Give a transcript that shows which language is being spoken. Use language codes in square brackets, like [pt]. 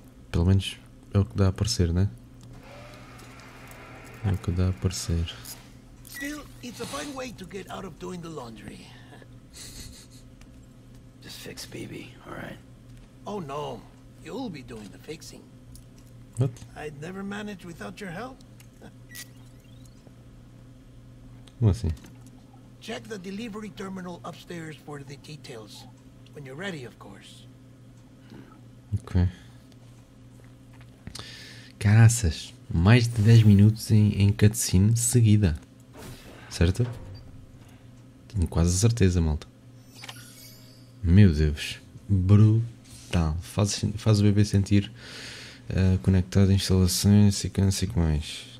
[pt] Pelo menos é o que dá a parecer, né? É o que dá a parecer. [en] Still, it's a fine way to get out of doing the laundry. Just fix BB, alright? Oh no, you'll be doing the fixing. What? I'd never manage without your help. [pt] Como assim? [en] Check the delivery terminal upstairs for the details. When you're ready, of course. Ok. [pt] Caraças! Mais de 10 minutos em cutscene seguida. Certo? Tenho quase a certeza, malta. Meu Deus. Brutal. Faz o bebê sentir conectado a instalações e canse com mais.